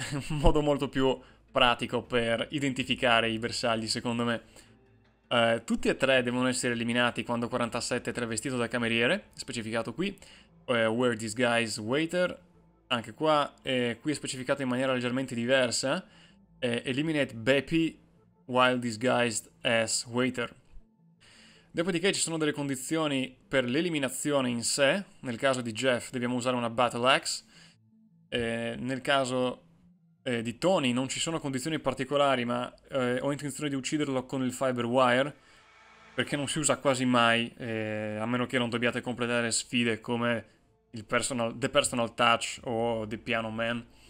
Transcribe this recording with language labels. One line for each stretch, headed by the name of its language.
Italian: Un modo molto più pratico per identificare i bersagli, secondo me. Tutti e tre devono essere eliminati quando 47 è travestito da cameriere, specificato qui.
English: Wear disguise waiter,
Italian: anche qua. Qui è specificato in maniera leggermente diversa.
English: Eliminate Bepi while disguised as waiter.
Italian: Dopodiché ci sono delle condizioni per l'eliminazione in sé. Nel caso di Jeff dobbiamo usare una Battle Axe. Nel caso di Tony non ci sono condizioni particolari, ma ho intenzione di ucciderlo con il Fiber Wire, perché non si usa quasi mai, a meno che non dobbiate completare sfide come il The Personal Touch o The Piano Man.